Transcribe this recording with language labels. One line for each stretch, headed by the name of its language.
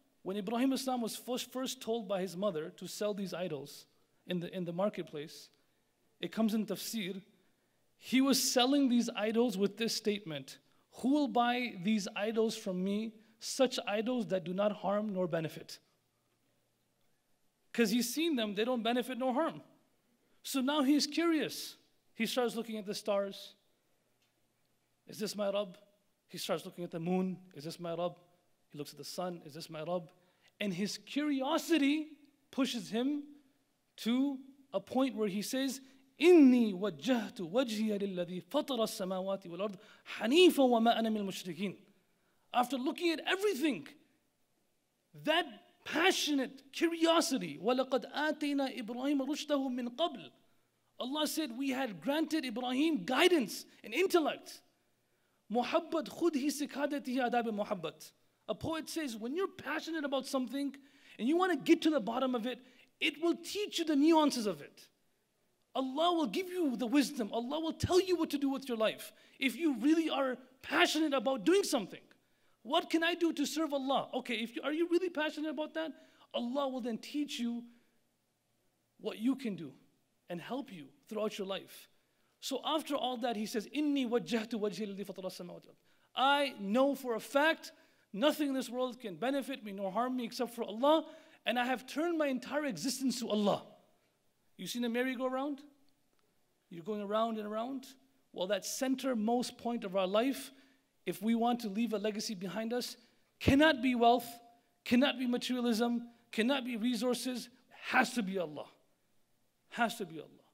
English: When Ibrahim Islam was first told by his mother to sell these idols in the marketplace, it comes in tafsir, he was selling these idols with this statement, who will buy these idols from me, such idols that do not harm nor benefit? Because he's seen them, they don't benefit nor harm. So now he's curious. He starts looking at the stars. Is this my Rabb? He starts looking at the moon. Is this my Rabb? He looks at the sun. Is this my Rabb? And his curiosity pushes him to a point where he says,
Arabic: إني وجهت وجهي للذي فطر السماوات والأرض حنيفا وما أنا من المشركين.
English: After looking at everything, that passionate curiosity,
Arabic: ولقد آتينا إبراهيم رشده من قبل.
English: Allah said, we had granted Ibrahim guidance and intellect. محبت خده سكادته أداب محبت. A poet says, when you're passionate about something and you want to get to the bottom of it, it will teach you the nuances of it. Allah will give you the wisdom. Allah will tell you what to do with your life. If you really are passionate about doing something, what can I do to serve Allah? Okay, are you really passionate about that? Allah will then teach you what you can do and help you throughout your life. So after all that, he says,
Arabic: إِنِّي وَجَّهْتُ وَجْهِ لِلَّذِي فَطَرَ السَّمَاوَاتِ وَالْأَرْضَ.
English: I know for a fact, nothing in this world can benefit me nor harm me except for Allah, and I have turned my entire existence to Allah. You seen a merry-go-round? You're going around and around. Well, that center-most point of our life, if we want to leave a legacy behind us, cannot be wealth, cannot be materialism, cannot be resources, has to be Allah. Has to be Allah.